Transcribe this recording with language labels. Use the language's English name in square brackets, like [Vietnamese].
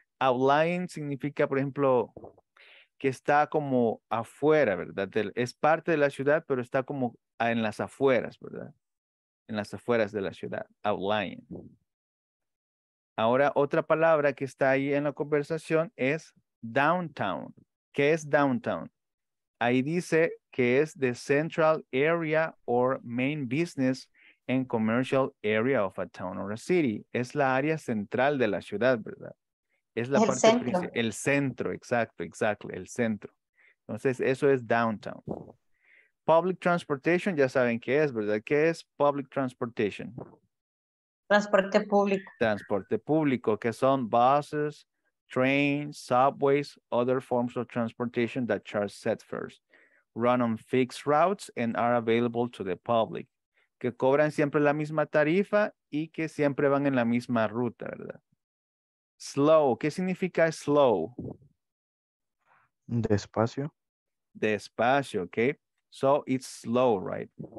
[Spanish] Outlying significa, por ejemplo, que está como afuera, ¿verdad? Es parte de la ciudad, pero está como en las afueras, ¿verdad? En las afueras de la ciudad, outlying. Ahora, otra palabra que está ahí en la conversación es downtown. ¿Qué es downtown? Ahí dice que es [English] the central area or main business and commercial area of a town or a city. [Spanish] Es la área central de la ciudad, ¿verdad? Es la parte principal. El centro, exacto, exacto, el centro. Entonces, eso es downtown. Public transportation, ya saben qué es, ¿verdad? ¿Qué es public transportation? Transporte público. Transporte público, que son [English] buses, trains, subways, other forms of transportation that charge set fares, run on fixed routes and are available to the public. [Spanish] Que cobran siempre la misma tarifa y que siempre van en la misma ruta, ¿verdad? Slow, ¿qué significa slow? Despacio. Despacio, [English] okay. So it's slow, right?